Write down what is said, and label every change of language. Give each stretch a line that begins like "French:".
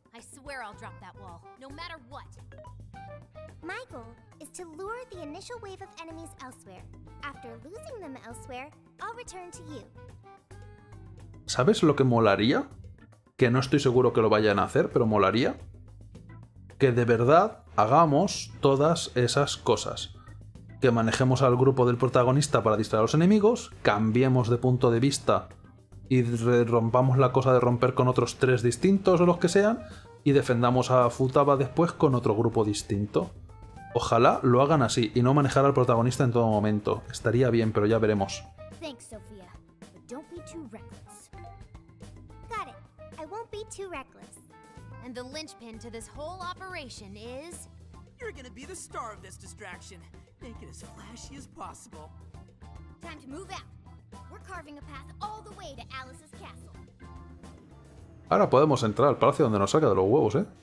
English: I swear I'll drop that wall, no matter what. My goal is to lure the initial wave of enemies elsewhere. After losing them elsewhere, I'll return to you.
Spanish: ¿Sabes lo que molaría? Que no estoy seguro que lo vayan a hacer, pero molaría. Que de verdad hagamos todas esas cosas. Que manejemos al grupo del protagonista para distraer a los enemigos, cambiemos de punto de vista... Y rompamos la cosa de romper con otros tres distintos o los que sean. y defendamos a Futaba después con otro grupo distinto. Ojalá lo hagan así y no manejar al protagonista en todo momento. Estaría bien, pero ya veremos.
English: Thanks, Sophia. But don't be too reckless. Got it. I won't be too reckless. And the linchpin to this whole operation is... You're gonna be the star of this distraction. Make it as flashy as possible. Time to move out. We're carving a path all the way to Alice's castle.
Spanish: Ahora podemos entrar al palacio donde nos saca de los huevos, ¿eh?